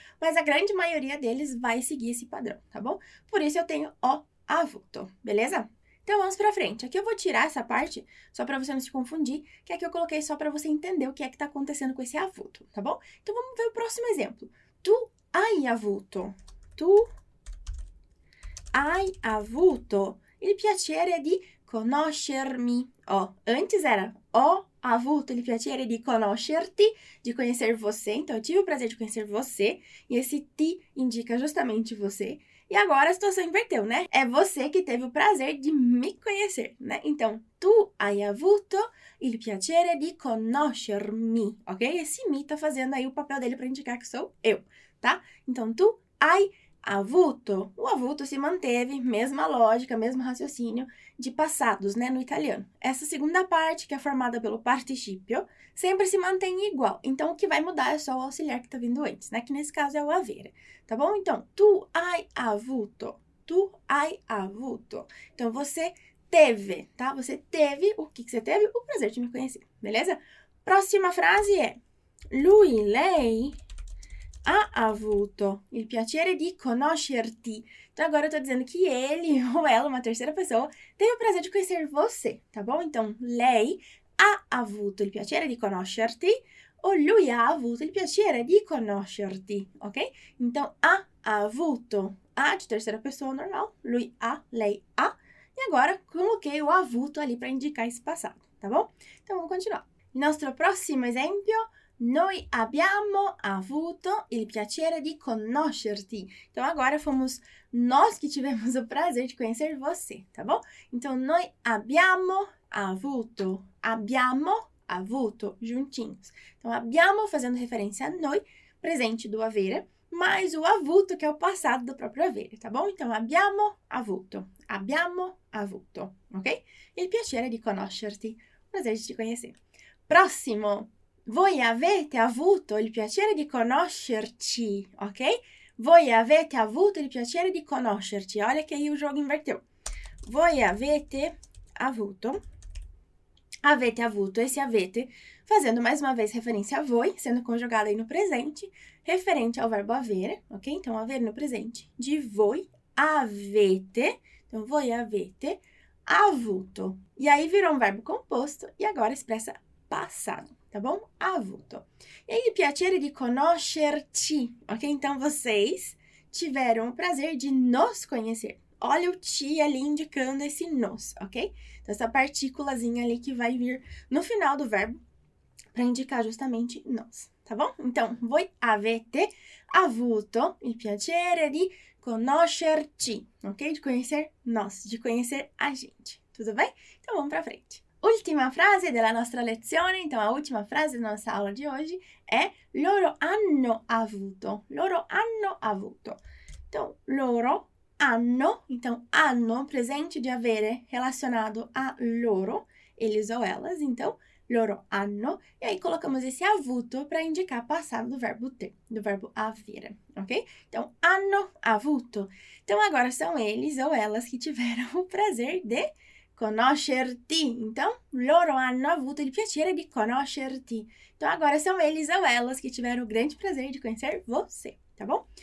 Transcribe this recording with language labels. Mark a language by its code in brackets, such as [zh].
[pt] Mas a grande maioria deles vai seguir esse padrão, tá bom? Por isso eu tenho o avuto, beleza? Então vamos para frente. Aqui eu vou tirar essa parte, só para você não se confundir, que aqui eu coloquei só para você entender o que é que está acontecendo com esse avuto, tá bom? Então vamos ver o próximo exemplo. [it] Tu hai avuto. Tu hai avuto il piacere di conoscermi. [pt] Ó, antes era [it] ho avuto il piacere di conoscerti, [pt] de conhecer você. Então, eu tive o prazer de conhecer você. E esse ti indica justamente você. E agora a situação inverteu, né? É você que teve o prazer de me conhecer, né? [it] Então, tu hai avuto il piacere di conoscermi, ok? [pt] Esse mi tá fazendo aí o papel dele para indicar que sou eu, tá? Então, tu hai avuto. O avuto se manteve, mesma lógica, mesmo raciocínio de passados, né, no italiano. Essa segunda parte, que é formada pelo participio, sempre se mantém igual. Então, o que vai mudar é só o auxiliar que está vindo antes, né? Que nesse caso é o avere. [it] Tá bom? Então, tu hai avuto. Tu hai avuto. [pt] Então, você teve, tá? Você teve o que que você teve? O prazer de me conhecer, beleza? Próxima frase é: Lui, lei. [it] Ha avuto il piacere di conoscerti. [pt] Então, agora eu tô dizendo que ele ou ela, uma terceira pessoa, teve o prazer de conhecer você, tá bom? [it] Então, lei ha avuto il piacere di conoscerti ou lui ha avuto il piacere di conoscerti, ok? [pt] Então, ha avuto, ha de terceira pessoa normal, [it] lui ha, lei ha, [pt] e agora coloquei o avuto ali para indicar esse passado, tá bom? Então, vamos continuar. Nosso próximo exemplo. [it] Noi abbiamo avuto il piacere di conoscerti. [pt] Então, agora fomos nós que tivemos o prazer de conhecer você, tá bom? [it] Então, noi abbiamo avuto, juntinhos. [pt] Então, abbiamo fazendo referência a noi, presente do avere, mais o avuto, que é o passado do próprio avere, tá bom? [it] Então, abbiamo avuto, ok? Il piacere di conoscerti, [pt] prazer de te conhecer. [it] Próximo. Voi avete avuto il piacere di conoscerci, ok? Voi avete avuto il piacere di conoscerci. Olha che il gioco inverteu. Voi avete avuto [pt] Avete avuto, esse avete, fazendo mais uma vez referência a voi, sendo conjugado aí no presente, referente ao verbo avere, ok? Então, haver no presente. De voi, avete. Então, [it] voi avete avuto. [pt] E aí virou um verbo composto e agora expressa passado, tá bom? [it] Avuto. E il piacere di conoscerci, ok? [pt] Então, vocês tiveram o prazer de nos conhecer. Olha o ti ali indicando esse nos, ok? Então, essa partículazinha ali que vai vir no final do verbo para indicar justamente nos, tá bom? Então, [it] voi avete avuto il piacere di conoscerci, [pt] ok? De conhecer nós, de conhecer a gente, tudo bem? Então, vamos para frente. [it] Última frase della nostra lezione, [pt] então, a última frase da nossa aula de hoje é [it] loro hanno avuto, loro hanno avuto. [pt] Então, loro hanno, então hanno, presente de avere relacionado a loro, eles ou elas, então loro hanno, e aí colocamos esse avuto para indicar passado do verbo ter, do verbo avere, ok? Então hanno avuto. Então agora são eles ou elas que tiveram o prazer de conoscerti. [it] Então loro hanno avuto il piacere di conoscerti. [pt] Então agora são eles ou elas que tiveram o grande prazer de conhecer você, tá bom?